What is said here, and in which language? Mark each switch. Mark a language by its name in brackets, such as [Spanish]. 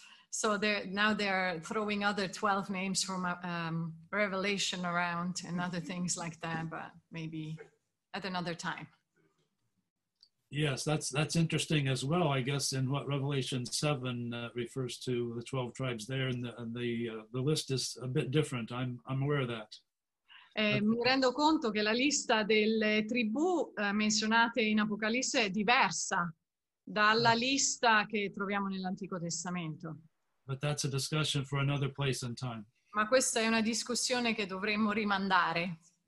[English] So now they're throwing other 12 names from Revelation around and other things like that, but maybe at another time. Yes, that's interesting as well, I guess, in what Revelation 7 refers to the 12 tribes there, and the list is a bit different. I'm aware of that. [Italian] Mi rendo conto che la lista delle tribù menzionate in Apocalisse è diversa dalla lista che troviamo nell'Antico Testamento. [English] But that's a discussion for another place and time. [Italian] Ma questa è una discussione che dovremmo rimandare.